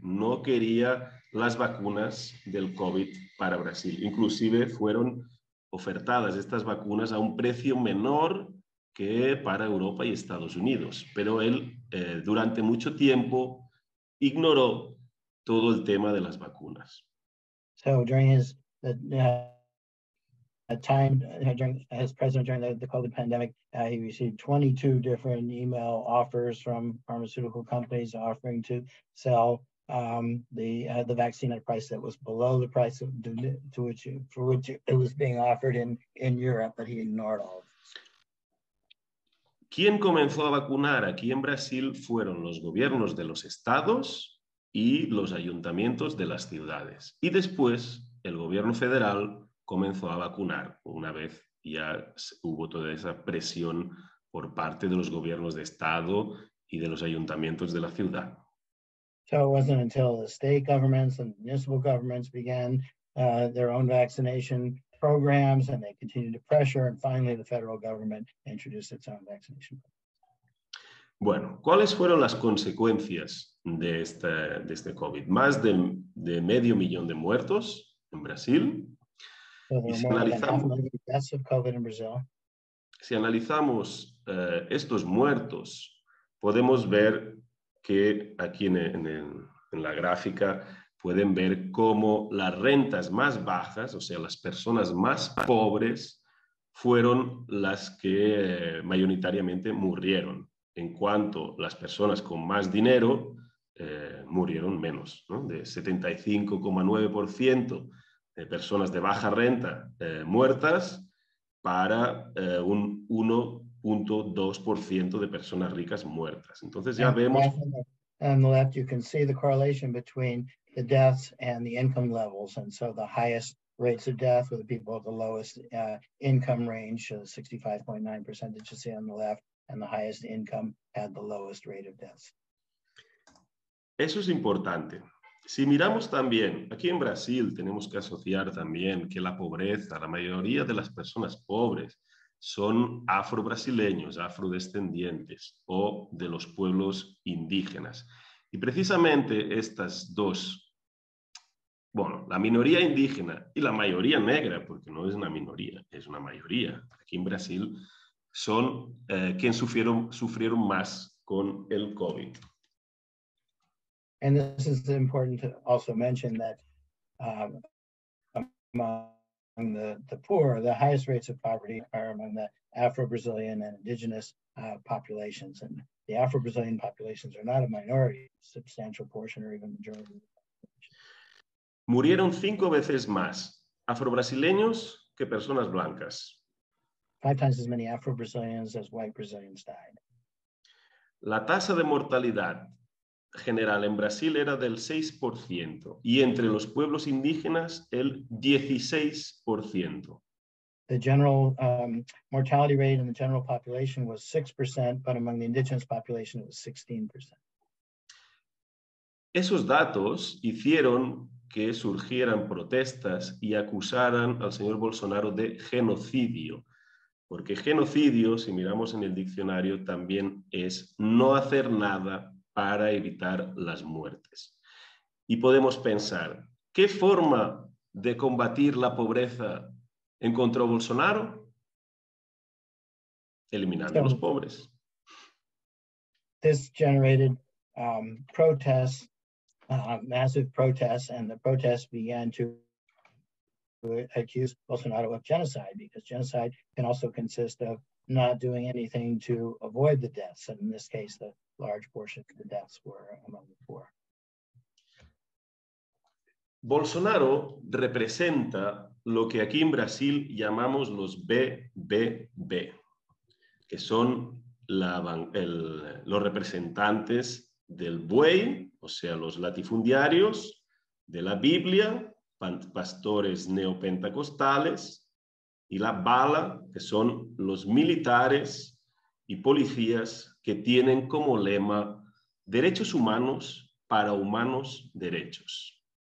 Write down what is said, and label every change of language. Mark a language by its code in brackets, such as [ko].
[es] No quería las vacunas del COVID para Brasil. Inclusive fueron ofertadas estas vacunas a un precio menor que para Europa y Estados Unidos. Pero él durante mucho tiempo ignoró todo el tema de las vacunas. [en] So during his time, during his president during the COVID pandemic, he received 22 different email offers from pharmaceutical companies offering to sell the vaccine at a price that was below the price for which it was being offered in Europe, but he ignored all of this. [es] ¿Quién comenzó a vacunar aquí en Brasil fueron los gobiernos de los estados y los ayuntamientos de las ciudades? Y después el gobierno federal comenzó a vacunar una vez ya hubo toda esa presión por parte de los gobiernos de estado y de los ayuntamientos de la ciudad. [en] So it wasn't until the state governments and municipal governments began their own vaccination programs and they continued to pressure, and finally the federal government introduced its own vaccination program. [es] Bueno, ¿cuáles fueron las consecuencias de este COVID? Más de medio millón de muertos en Brasil. Si analizamos estos muertos, podemos ver que aquí en la gráfica pueden ver cómo las rentas más bajas, o sea, las personas más pobres, fueron las que mayoritariamente murieron. En cuanto a las personas con más dinero, murieron menos, ¿no? De 75,9% de personas de baja renta muertas para un 1.2% de personas ricas muertas. Entonces ya vemos... [en] On the left, you can see the correlation between the deaths and the income levels. And so the highest rates of death were the people at the lowest income range, 65.9% that you see on the left, and the highest income had the lowest rate of deaths. [es] Eso es importante. Si miramos también, aquí en Brasil tenemos que asociar también que la pobreza, la mayoría de las personas pobres son afro-brasileños, afrodescendientes o de los pueblos indígenas. Y precisamente estas dos, bueno, la minoría indígena y la mayoría negra, porque no es una minoría, es una mayoría aquí en Brasil, son quienes sufrieron más con el COVID. [en] And this is important to also mention that among the poor, the highest rates of poverty are among the Afro-Brazilian and indigenous populations. And the Afro-Brazilian populations are not a minority, substantial portion, or even majority. [es] Murieron cinco veces más Afro-Brasileños que personas blancas. [en] Five times as many Afro-Brazilians as white Brazilians died. [es] La tasa de mortalidad general en Brasil era del 6% y entre los pueblos indígenas el 16%. [en] The general mortality rate in the general population was 6%, but among the indigenous population it was 16%. [es] Esos datos hicieron que surgieran protestas y acusaran al señor Bolsonaro de genocidio. Porque genocidio, si miramos en el diccionario, también es no hacer nada para evitar las muertes. Y podemos pensar, ¿qué forma de combatir la pobreza encontró Bolsonaro? Eliminando a los pobres. [en] This generated protests, massive protests, and the protests began to accuse Bolsonaro of genocide, because genocide can also consist of not doing anything to avoid the deaths, and in this case, the large portion of the deaths were among the poor. [es] Bolsonaro representa lo que aquí en Brasil llamamos los BBB, que son los representantes del buey, o sea, los latifundiarios, de la Biblia, pastores neopentecostales, y la bala, que son los militares y policías que tienen como lema derechos humanos para humanos derechos.